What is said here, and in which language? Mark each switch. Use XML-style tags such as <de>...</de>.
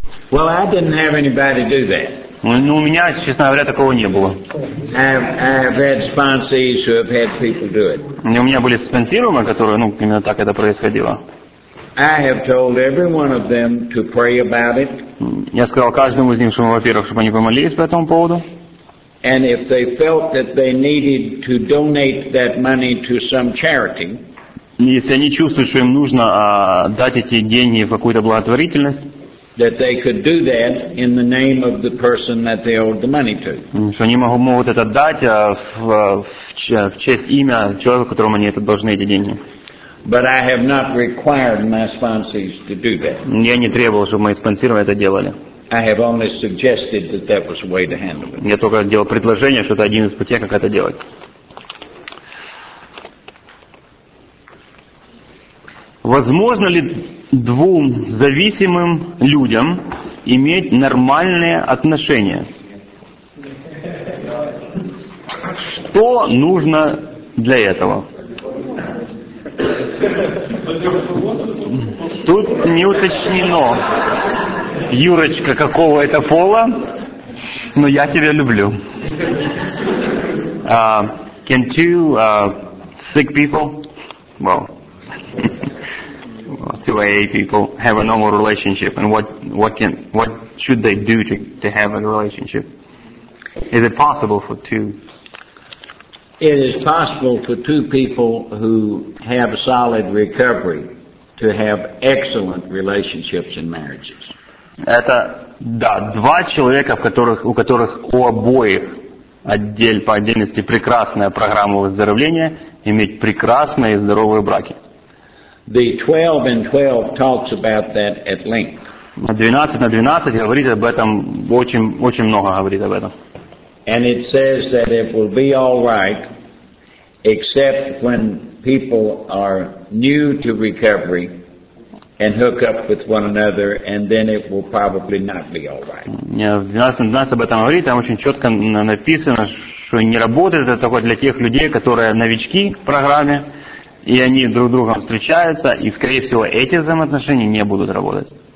<en>Well, I didn't have anybody do that.</en> <ru>Ну, у меня, честно говоря, такого не было. У меня были спонсированные, которые, ну, именно так это происходило. Я сказал каждому из них, что, во-первых, чтобы они помолились по этому поводу.</ru> <en>And if they felt that they needed to donate that money to some charity,</en> <ru>если они чувствуют, что им нужно дать эти деньги в какую-то благотворительность,</ru> <en>that they could do that in the name of the person that they owed the money to.</en> <ru>Что они могут это дать в честь имя человека, которому они это должны эти деньги.</ru> <en>But I have not required my sponsors to do that.</en> <ru>Я не требовал, чтобы мои спонсоры это делали.</ru> <en>I have only suggested that that was a way to handle it.</en> <ru>Я только делал предложение, что это один из путей, как это делать. Возможно ли двум зависимым людям иметь нормальные отношения? Что нужно для этого? Тут не уточнено, Юрочка, какого это пола, но я тебя люблю.</ru> <en>Can two sick people, well, two AA people have a normal relationship, and what should they do to have a relationship? Is it possible for two? It is possible for two people who have solid recovery to have excellent relationships in marriages.</en> <ru>Это да, два человека, у которых у обоих по отдельности прекрасная программа выздоровления, иметь прекрасные и здоровые браки.</ru> <en>The 12 and 12 talks about that at length.</en> <ru>12 на 12 говорит об этом очень, очень много говорит об этом.</ru> <en>And it says that it will be all right, except when people are new to recovery and hook up with one another, and then it will probably not be all right.</en> <ru>В 12.12 об этом говорит, там очень четко написано, что не работает это только для тех людей, которые новички в программе, и они друг с другом встречаются, и, скорее всего, эти взаимоотношения не будут работать.</ru>